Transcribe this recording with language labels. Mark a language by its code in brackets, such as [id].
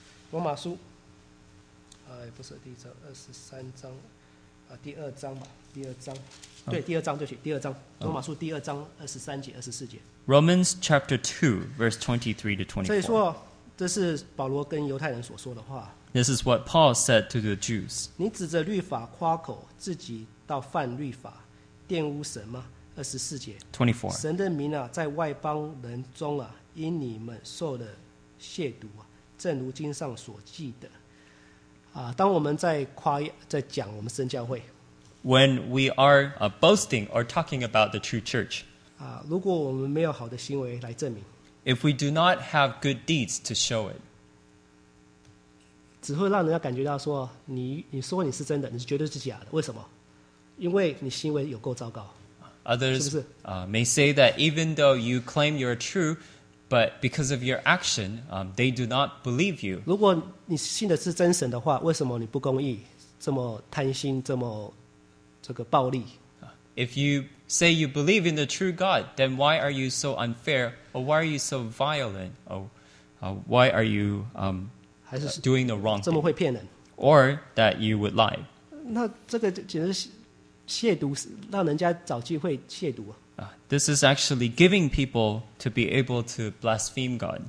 [zh] 罗马书，不是第一章，二十三章，第二章吧，第二章，对，第二章，对不起，第二章，罗马书第二章二十三节、二十四节。 [en] Romans chapter 2, verse 23 to 24. [zh] 所以说，这是保罗跟犹太人所说的话。 [en] This is what Paul said to the Jews. [zh] 你指着律法夸口，自己倒犯律法，玷污神吗？二十四节。 [en] 24. [zh] 神的名啊，在外邦人中啊。因你们受的亵渎，正如经上所记的。当我们在讲我们真教会 [en] ，When we are boasting or talking about the true church， [zh] 如果我们没有好的行为来证明 [en] ，If we do not have good deeds to show it， [zh] 只会让人家感觉到说你说你是真的，你绝对是假的。为什么？因为你行为有够糟糕。 [en] Others [zh] 是不是 [en] may say that even though you claim you're true。 But because of your action, they do not believe you. [zh] 如果你信的是真神的话，为什么你不公义，这么贪心，这么这个暴力？ [en] If you say you believe in the true God, then why are you so unfair, or why are you so violent, or why are you doing the wrong thing? [zh] 这么会骗人？ [en] Or that you would lie? [zh] 那这个简直亵渎，让人家找机会亵渎。 [en] This is actually giving people to be able to blaspheme God.